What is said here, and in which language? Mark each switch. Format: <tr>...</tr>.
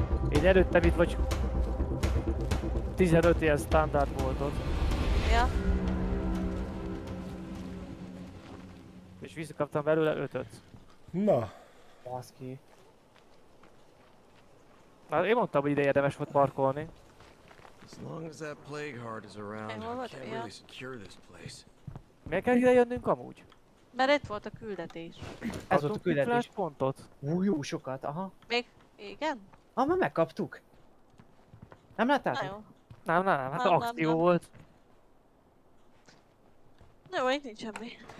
<hu>Én előttem itt vagy 15 ilyen standard volt ott. Ja. És visszakaptam belőle 5-öt. Na. Baszki. Na, én mondtam, hogy ide érdemes volt parkolni.</hu> <en>As long as that plague heart is around, I can't really secure this place.</en> <hu>Miért kell ide jönnünk amúgy? Mert itt volt a küldetés. Ez volt a küldetés. Kaptunk pontot. Jó sokat, aha. Még? Igen? Ah, már megkaptuk. Nem láttál? Nem, hát akció volt. Na jó, itt nincs semmi.</hu>